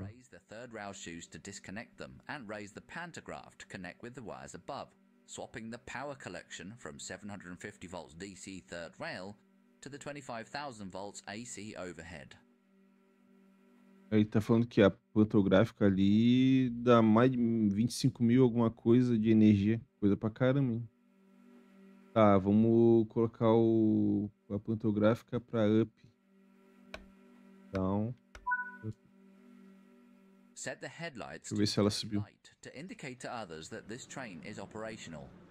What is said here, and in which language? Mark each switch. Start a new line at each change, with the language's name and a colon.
English: Raise the third rail shoes to disconnect them and raise the pantograph to connect with the wires above, swapping the power collection from 750 volts DC third rail to the 25,000 volts AC overhead.
Portuguese: Ele tá falando que a pantográfica ali dá mais de 25 mil alguma coisa de energia, coisa pra caramba. Tá, vamos colocar a pantográfica pra up. Então,
English: set the headlights.
Portuguese: Deixa eu ver se ela subiu.
English: To indicate to others that this train is operational.